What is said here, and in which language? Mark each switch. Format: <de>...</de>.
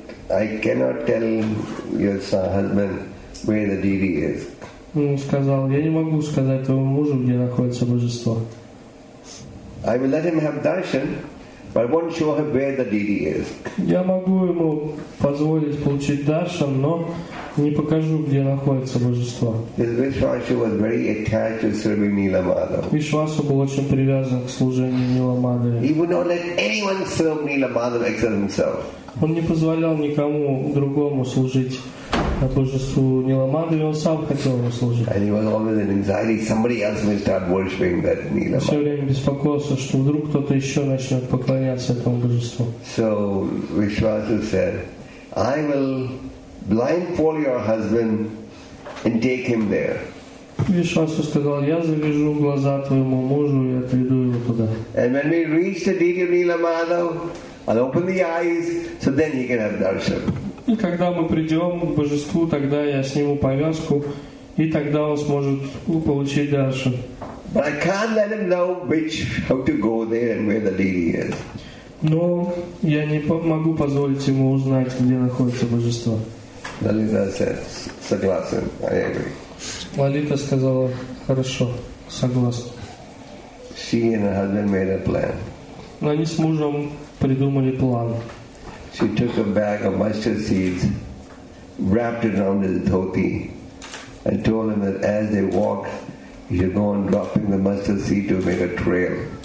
<en>I cannot tell your husband where the deity is.</en> <ru>Он сказал, я не могу сказать твоему мужу, где находится божество.</ru> <en>I will let him have darshan, but I won't show him where the deity is.</en> <ru>Я могу ему позволить получить даршан, но не покажу, где находится божество.</ru> <en>Вишвасу was very attached to serving Nila Madhav.</en> <ru>Вишвасу был очень привязан к служению Нила Мадхава.</ru> <en>He would not let anyone serve Nila Madhav except himself.</en> <ru>Он не позволял никому другому служить божеству Нила Мадхава, он сам хотел ему служить.</ru> <en>And he was always in anxiety, somebody else may start worshiping that Nila Madhava.</en> <ru>Все время беспокоился, что вдруг кто-то еще начнет поклоняться этому божеству.</ru> <en>So Vishwasu said, "I will blindfold your husband and take him there."</en> <ru>Вишвасу сказал, я завяжу глаза твоему мужу и отведу его туда.</ru> <en>And when we reach the deity of Nila Madhav, I'll open the eyes, so then he can have darshan.</en> <ru>И когда мы придем к божеству, тогда я сниму повязку, и тогда он сможет получить даршан.</ru> <en>But I can't let him know which how to go there and where the deity is.</en> <ru>Но я не могу позволить ему узнать, где находится божество.</ru> <en>Lalita said,</en> <ru>"Согласен,</ru> <en>I agree."</en> <ru>Лалита сказала, хорошо, согласна.</ru> <en>she and her husband made a plan.</en> <ru>Они с мужем придумали план.</ru> <en>She took a bag of mustard seeds, wrapped it around his dhoti, and told him that as they walked, he should go on dropping the mustard seed to make a trail.</en>